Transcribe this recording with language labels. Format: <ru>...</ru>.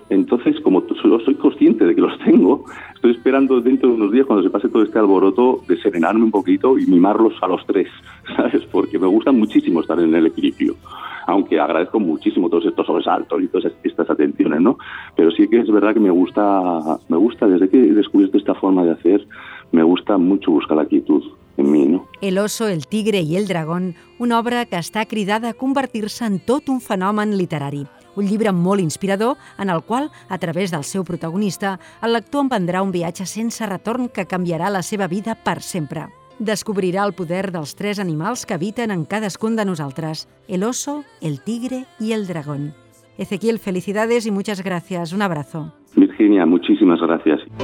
<es>Entonces, como solo soy consciente de que los tengo, estoy esperando dentro de unos días, cuando se pase todo este alboroto, de serenarme un poquito y mimarlos a los tres, ¿sabes? Porque me gusta muchísimo estar en el equilibrio, aunque agradezco muchísimo todos estos sobresaltos y todas estas atenciones, ¿no? Pero sí que es verdad que me gusta, desde que he descubierto esta forma de hacer, me gusta mucho buscar la quietud en mí, ¿no?</es> <ca>El oso, el tigre y el dragón, una obra que està cridada a convertir-se en tot un fenomen literari. Un llibre molt inspirador en el qual, a través del seu protagonista, el lector emprendrà un viatge sense retorn que canviarà la seva vida per sempre. Descobrirà el poder dels tres animals que habiten en cadascun de nosaltres, el oso, el tigre i el dragón.</ca> <es>Ezequiel, felicidades i muchas gracias. Un abrazo. Virginia, muchísimas gracias.</es>